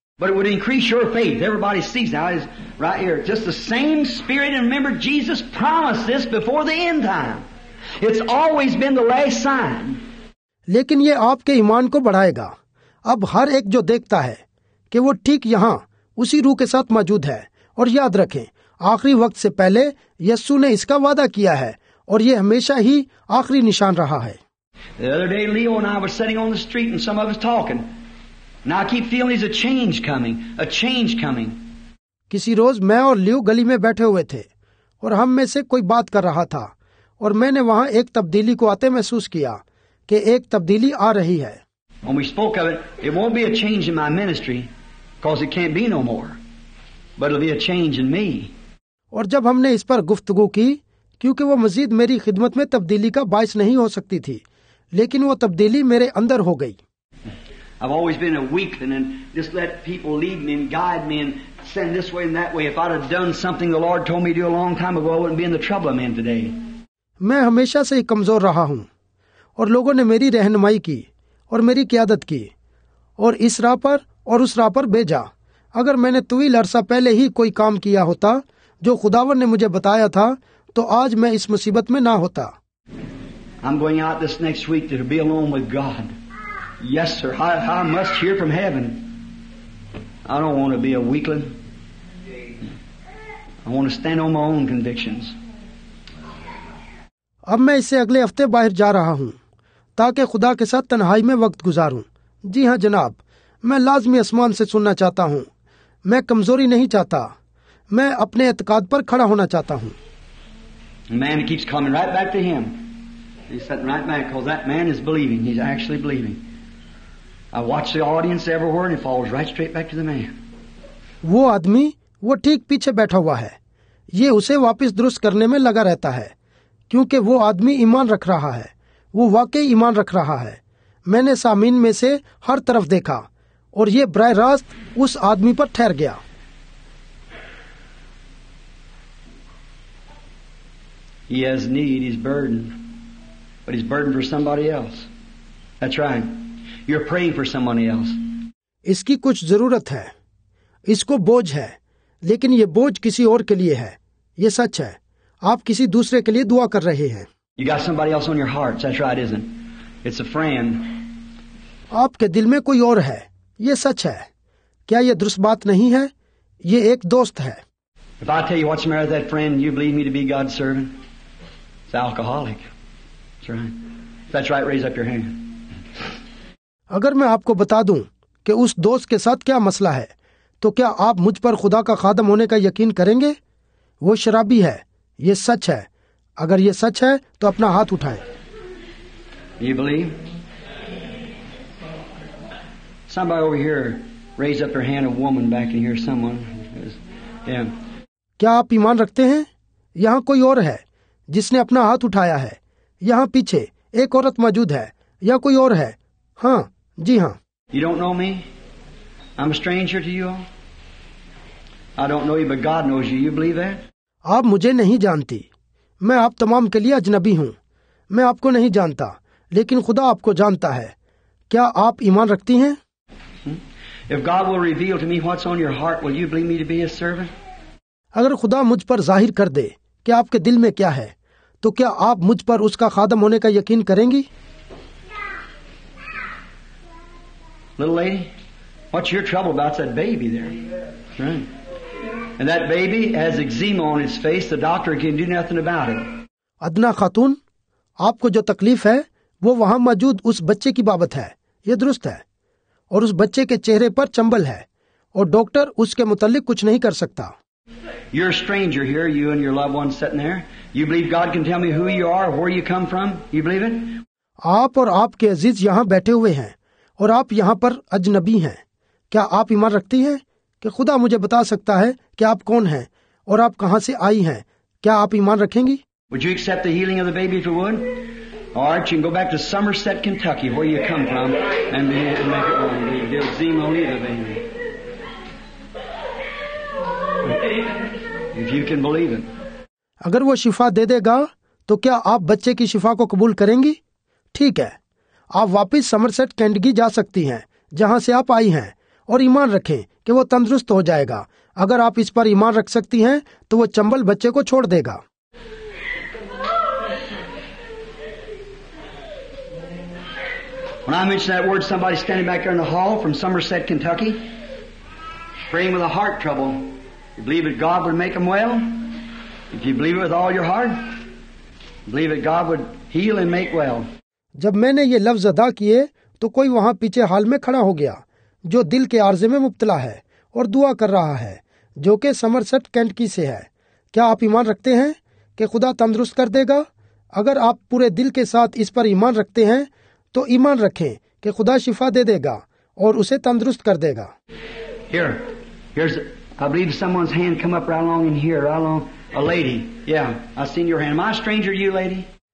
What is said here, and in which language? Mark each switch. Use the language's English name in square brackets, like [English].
[English] But it would increase your faith. Everybody sees now is right here. Just the same spirit, and remember Jesus promised this before the end time. It's always been the last sign. [Hindi] लेकिन ये आपके ईमान को बढ़ाएगा। अब हर एक जो देखता है कि वो ठीक यहाँ उसी रूह के साथ मौजूद है, और याद रखें आखिरी वक्त से पहले यीशु ने इसका वादा किया है और ये हमेशा ही आखिरी निशान रहा है। [English] The other day, Leo and I were sitting on the street and some of us talking. Now I keep feeling there's a change coming. [Hindi] किसी रोज मैं और लियो गली में बैठे हुए थे और हम में से कोई बात कर रहा था, और मैंने वहाँ एक तब्दीली को आते महसूस किया कि एक तब्दीली आ रही है। [English] When we spoke of it, it won't be a change in my ministry because it can't be no more. But it'll be a change in me. [Hindi] और जब हमने इस पर गुफ्तगू की, क्योंकि वो मजीद मेरी खिदमत में तब्दीली का बायस नहीं हो सकती थी, लेकिन वो तब्दीली मेरे अंदर हो गई। [English] I've always been a weakling and just let people lead me and guide me and send this way and that way. If I'd have done something the Lord told me to do a long time ago, I wouldn't be in the trouble I'm in today. [Hindi] मैं हमेशा से ही कमजोर रहा हूँ और लोगों ने मेरी रहनुमाई की और मेरी क्यादत की और इस राह पर और उस राह पर भेजा। अगर मैंने तुवील अरसा पहले ही कोई काम किया होता जो खुदावर ने मुझे बताया था तो आज मैं इस मुसीबत में ना होता। [English] I'm going out this next week to be alone with God. Yes, sir. I must hear from heaven. I don't want to be a weakling. I want to stand on my own convictions. [Hindi] अब मैं इसे अगले हफ्ते बाहर जा रहा हूँ ताकि खुदा के साथ तन्हाई में वक्त गुजारूं। जी हाँ जनाब, मैं लाजमी आसमान से सुनना चाहता हूँ। मैं कमजोरी नहीं चाहता, मैं अपने एतकाद पर खड़ा होना चाहता हूँ। [English] Man keeps coming right back to him. He's sitting right back because that man is believing. He's actually believing. I watch the audience everywhere and he falls right straight back to the man. [Hindi] वो आदमी वो ठीक पीछे बैठा हुआ है, ये उसे वापिस दुरुस्त करने में लगा रहता है क्योंकि वो आदमी ईमान रख रहा है, वो वाकई ईमान रख रहा है। मैंने सामीन में से हर तरफ देखा और ये ब्राह रास्त उस आदमी पर ठहर गया। [English] He has need, he's burdened, but he's burdened for somebody else. That's right. You're praying for somebody else. [Hindi] इसकी कुछ जरूरत है, इसको बोझ है, लेकिन ये बोझ किसी और के लिए है। ये सच है, आप किसी दूसरे के लिए दुआ कर रहे हैं। [English] You got somebody else on your heart. That's right, isn't it? It's a friend. [Hindi] आपके दिल में कोई और है, ये सच है। क्या ये दुरुस्त बात नहीं है? ये एक दोस्त है। [English] If I tell you what's the matter with that friend, you believe me to be God's servant? It's alcoholic. That's right. If that's right, raise up your hand. [Hindi] अगर मैं आपको बता दूं कि उस दोस्त के साथ क्या मसला है, तो क्या आप मुझ पर खुदा का खादम होने का यकीन करेंगे? वो शराबी है, ये सच है। अगर ये सच है तो अपना हाथ उठाएं। [English] You believe? Somebody over here, raise up your hand, a woman back in here, someone. Yeah. [Hindi] क्या आप ईमान रखते हैं? यहाँ कोई और है जिसने अपना हाथ उठाया है। यहाँ पीछे एक औरत मौजूद है, या कोई और है? हाँ, जी हाँ। [English] You don't know me? I'm a stranger to you. I don't know you, but God knows you. You believe that? [Hindi] आप मुझे नहीं जानती, मैं आप तमाम के लिए अजनबी हूँ। मैं आपको नहीं जानता, लेकिन खुदा आपको जानता है। क्या आप ईमान रखती हैं? [English] If God will reveal to me what's on your heart, will you believe me to be His servant? [Hindi] अगर खुदा मुझ पर जाहिर कर दे कि आपके दिल में क्या है, तो क्या आप मुझ पर उसका खादम होने का यकीन करेंगी? [English] Little lady, what's your trouble about that baby there? And that baby has eczema on his face. The doctor can do nothing about it. [Hindi] अदना खातून, आपको जो तकलीफ है वो वहाँ मौजूद उस बच्चे की बाबत है, ये दुरुस्त है। और उस बच्चे के चेहरे पर चंबल है और डॉक्टर उसके मुतल्लिक कुछ नहीं कर सकता। [English] You're a stranger here, you and your loved one sitting there. You believe God can tell me who you are, where you come from? You believe it? [Hindi] आप और आपके अजीज यहाँ बैठे हुए हैं और आप यहाँ पर अजनबी हैं। क्या आप ईमान रखती हैं कि खुदा मुझे बता सकता है कि आप कौन हैं और आप कहाँ से आई हैं? क्या आप ईमान रखेंगी? [English] Would you accept the healing of the baby if you would? All right, you can go back to Somerset, Kentucky, where you come from, and be make it one. The eczema will leave the baby. If you can believe it. [Hindi] अगर वो शिफा दे देगा तो क्या आप बच्चे की शिफा को कबूल करेंगी? ठीक है, आप वापिस समरसेट कैंटकी जा सकती हैं, जहाँ से आप आई हैं, और ईमान रखें कि वो तंदुरुस्त हो जाएगा। अगर आप इस पर ईमान रख सकती हैं, तो वो चंबल बच्चे को छोड़ देगा। [English] When I mention that word, somebody standing back there in the hall from Somerset, Kentucky, praying with a heart trouble. You believe that God would make him well? If you believe it with all your heart, believe that God would heal and make well. [Hindi] जब मैंने ये लफ्ज अदा किए तो कोई वहाँ पीछे हाल में खड़ा हो गया जो दिल के आर्जे में मुब्तला है और दुआ कर रहा है, जो कि समरसेट कैंटकी से है। क्या आप ईमान रखते हैं कि खुदा तंदुरुस्त कर देगा? अगर आप पूरे दिल के साथ इस पर ईमान रखते हैं तो ईमान रखें कि खुदा शिफा दे देगा और उसे तंदुरुस्त कर देगा। [English] I believe someone's hand come up right along in here, right along. A lady. Yeah, I've seen your hand. Am I a stranger to you, lady?